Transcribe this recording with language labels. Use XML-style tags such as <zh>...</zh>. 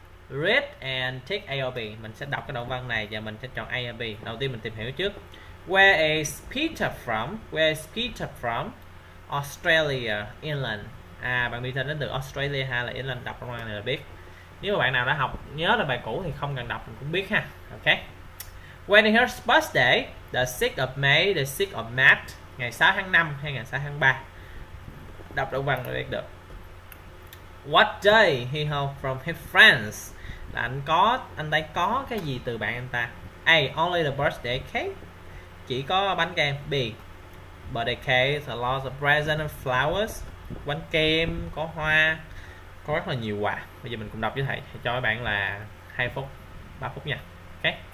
<vi>Read and take A or B. Mình sẽ đọc cái đoạn văn này và mình sẽ chọn A or B. Đầu tiên mình tìm hiểu trước.</vi> <en>Where is Peter from? Where is Peter from?</en> <vi>Australia, England. À bạn Peter đến từ Australia hay là England, đọc trong văn này là biết. Nếu mà bạn nào đã học nhớ là bài cũ thì không cần đọc mình cũng biết ha.</vi> <en>Ok. When is her birthday? The 6th of May, the 6th of March.</en> <vi>Ngày 6 tháng 5 hay ngày 6 tháng 3. Đọc đầu văn rồi biết được. What day he have from his friends? Là anh có, anh đây có cái gì từ bạn anh ta?</vi> <en>A. Only the birthday cake. Chỉ có bánh kem. B. Birthday cake, a lot of presents and flowers.</en> <vi>Bánh kem, có hoa, có rất là nhiều quà. Bây giờ mình cùng đọc với thầy, cho các bạn là 2 phút, 3 phút nha. Ok.</vi>